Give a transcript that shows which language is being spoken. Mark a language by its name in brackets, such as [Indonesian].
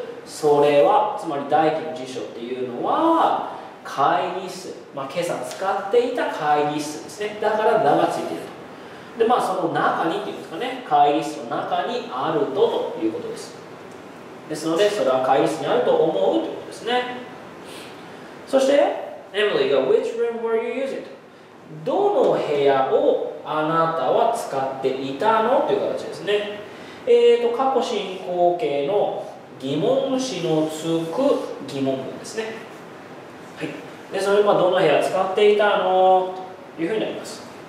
[Japanese] それはつまり大輝の辞書っていうのは会議室、まあ、今朝使っていた会議室ですね。だから名がついていると。でまあその中にっていうんですかね、会議室の中にあるとということです。ですのでそれは会議室にあると思うということですね。 [English] そして Emily が Which room were you using? [Japanese] どの部屋をあなたは使っていたのという形ですね。過去進行形の疑問詞のつく疑問文ですね。はい。で、それはどの部屋使っていたのというふうになります。